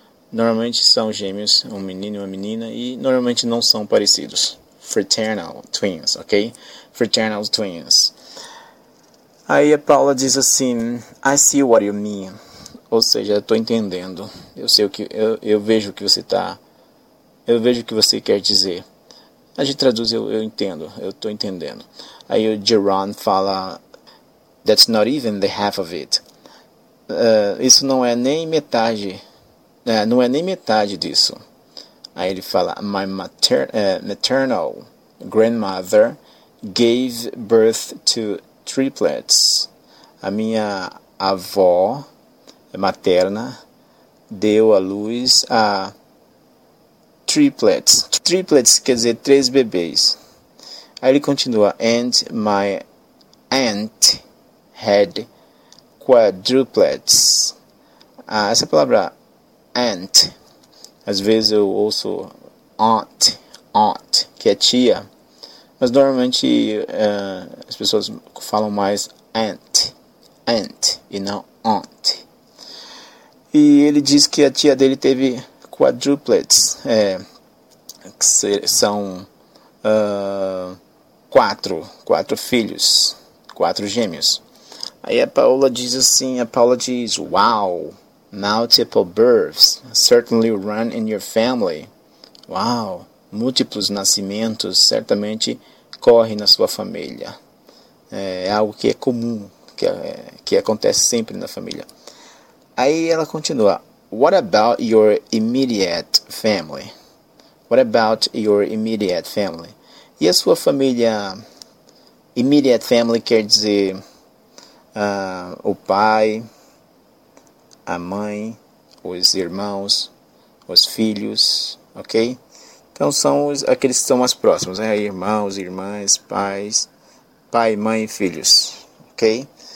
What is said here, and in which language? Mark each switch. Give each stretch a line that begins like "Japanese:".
Portuguese: Normalmente são gêmeos, um menino e uma menina, e normalmente não são parecidos.
English: Fraternal twins, ok? Fraternal twins.
Portuguese: Aí a Paula diz assim,
English: I see what you mean.
Portuguese: Ou seja, eu tô entendendo. Eu sei o que, eu vejo o que você tá, eu vejo o que você quer dizer. A gente traduz, eu entendo, eu tô entendendo. Aí o Jeron fala,
English: that's not even the half of it.
Portuguese: Isso não é nem metade. Não é nem metade disso. Aí ele fala,
English: my maternal grandmother gave birth to triplets.
Portuguese: A minha avó materna deu à luz a triplets. Triplets quer dizer três bebês. Aí ele continua,
English: and my aunt had quadruplets.
Portuguese: Ah, essa palavra aunt, às vezes eu ouço aunt, que é tia, mas normalmente as pessoas falam mais aunt, e não aunt. E ele diz que a tia dele teve quadruplets, que são quatro filhos, quatro gêmeos. Aí a Paula diz assim,
English: wow, multiple births certainly run in your family.
Portuguese: Wow, múltiplos nascimentos certamente correm na sua família. É algo que é comum, que acontece sempre na família. Aí ela continua,
English: what about your immediate family? What about your immediate family?
Portuguese: E a sua família,
English: immediate family
Portuguese: quer dizer o pai, a mãe, os irmãos, os filhos, ok? Então são aqueles que são mais próximos, né? Irmãos, irmãs, pais, pai, mãe e filhos, ok?